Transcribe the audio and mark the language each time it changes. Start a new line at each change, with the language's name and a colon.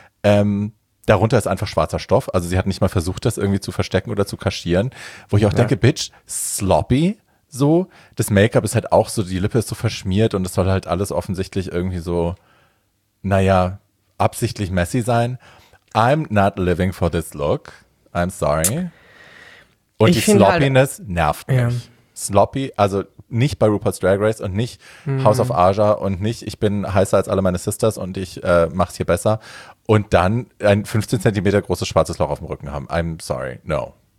German: Darunter ist einfach schwarzer Stoff, also sie hat nicht mal versucht, das irgendwie zu verstecken oder zu kaschieren, wo ich auch denke, Bitch, sloppy. So, das Make-up ist halt auch so, die Lippe ist so verschmiert und es soll halt alles offensichtlich irgendwie so, naja, absichtlich messy sein.
English: I'm not living for this look. I'm sorry.
German: Und ich, die Sloppiness halt, nervt mich. Ja. Sloppy, also nicht bei RuPaul's Drag Race und nicht House of Aja und nicht, ich bin heißer als alle meine Sisters und ich mach's hier besser. Und dann ein 15 cm großes schwarzes Loch auf dem Rücken haben.
English: I'm sorry, no.